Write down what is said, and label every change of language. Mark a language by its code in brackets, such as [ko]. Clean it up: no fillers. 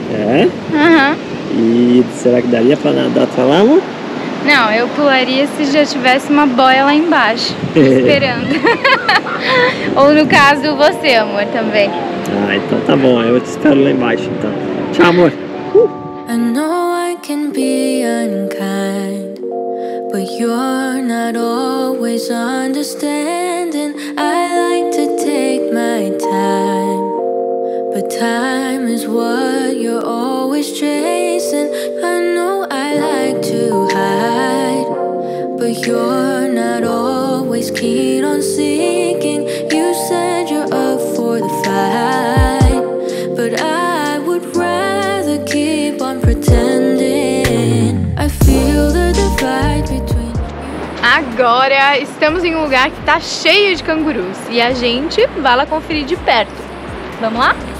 [pt] É? Uhum. E será que daria pra nadar até lá, amor? Não, eu pularia se já tivesse uma boia lá embaixo, esperando. Ou no caso, você, amor, também. Ah, então tá bom, eu te espero lá embaixo então. Tchau, amor. [en] I know I can be unkind, but you're not always understanding. I like to take my time, but time is what you're always chasing. I know I like to hide, but you're not always keen on seeking. You said you're up for the fight, but I would rather keep on pretending. I feel the divide between you. [pt] Agora estamos em um lugar que tá cheio de cangurus e a gente vai lá conferir de perto. Vamos lá?